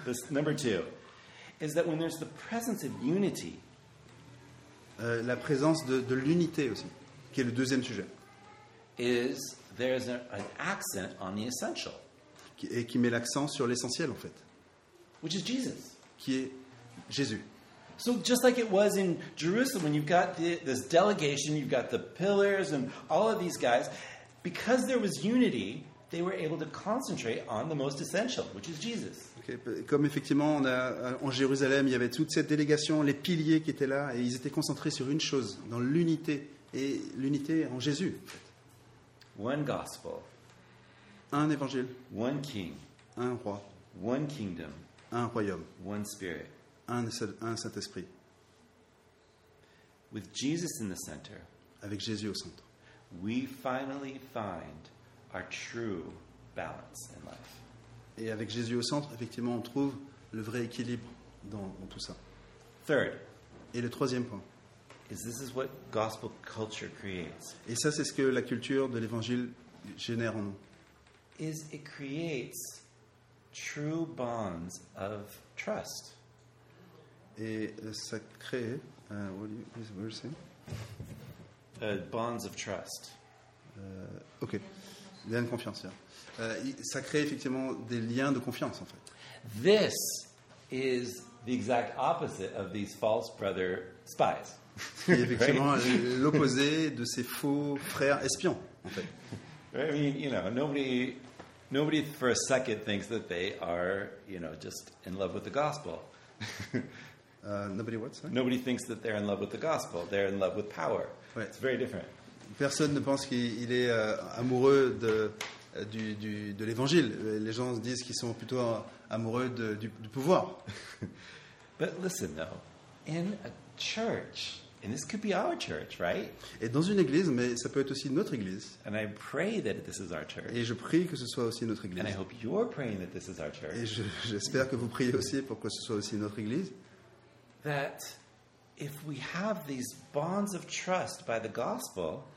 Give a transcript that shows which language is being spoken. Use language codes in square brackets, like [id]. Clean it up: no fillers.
[en] Number two is that when there's the presence of unity, [fr] la présence de l'unité aussi, qui est le deuxième sujet, [en] is there's an accent on the essential, [fr] qui met l'accent sur l'essentiel en fait, [en] which is Jesus, [fr] qui est Jésus. [en] So just like it was in Jerusalem, when you've got this delegation, you've got the pillars and all of these guys, because there was unity, they were able to concentrate on the most essential, which is Jesus. Okay. [fr] Comme effectivement, on a, en Jérusalem, il y avait toute cette délégation, les piliers qui étaient là, et ils étaient concentrés sur une chose, dans l'unité, et l'unité en Jésus. [en] One gospel. [fr] Un évangile. [en] One king. [fr] Un roi. [en] One kingdom. [fr] Un royaume. [en] One spirit. [fr] Un Saint-Esprit. [en] With Jesus in the center, [fr] avec Jésus au centre, [en] we finally find our true balance in life. [fr] Et avec Jésus au centre, effectivement, on trouve le vrai équilibre dans tout ça. [en] Third, [fr] et le troisième point, [en] is this is what gospel culture creates. [fr] Et ça, c'est ce que la culture de l'Évangile génère en nous. [en] Is it creates true bonds of trust. [fr] Et ça crée, [en] what do you say? Bonds of trust. [fr] Ok, liens de confiance. Yeah. Ça crée effectivement des liens de confiance en fait. [en] This is the exact opposite of these false brother spies. [fr] Et effectivement, right? L'opposé de ces faux frères espions en fait. [en] I mean, you know, nobody for a second thinks that they are, you know, just in love with the gospel. Nobody what, sorry? Nobody thinks that they're in love with the gospel. They're in love with power. [fr] Ouais. [en] It's very different. [fr] Personne ne pense qu'il est amoureux de l'évangile. Les gens disent qu'ils sont plutôt amoureux du pouvoir. [en] But listen though, in a church, and this could be our church, right? [fr] Et dans une église, mais ça peut être aussi notre église. [en] And I pray that this is our church. [fr] Et je prie que ce soit aussi notre église. [en] And I hope you're praying that this is our church. [fr] Et j'espère que vous priez aussi pour que ce soit aussi notre église. [en] That if we have these bonds of trust by the gospel,